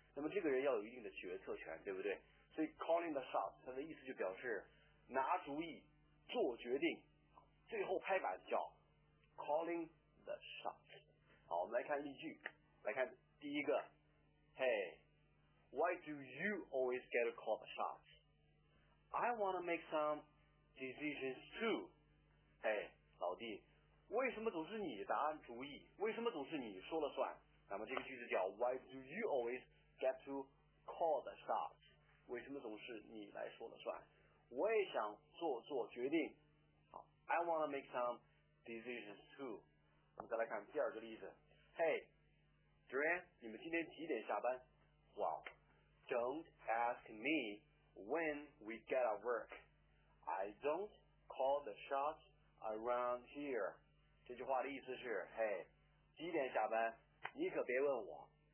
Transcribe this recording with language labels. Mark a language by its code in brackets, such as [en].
[zh] 那么这个人要有一定的决策权，对不对？所以 [en] calling the shots [zh] 它的意思就表示拿主意，做决定，最后拍板叫 [en] calling the shot. [zh] 好，我们来看例句，来看第一个。 [en] Hey, why do you always get to call the shots? I want to make some decisions too. [zh] Hey, 老弟，为什么总是你答案主意？为什么总是你说了算？那么这个句子叫 [en] why do you always get to call the shots? [zh] 为什么总是你来说了算？我也想做做决定。好， [en] I want to make some decisions too. [zh] 我们再来看第二个例子。 Hey, Duran, 你们今天几点下班？ [en] Well, don't ask me when we get at work. I don't call the shots around here. [zh] 这句话的意思是 Hey, 几点下班？你可别问我。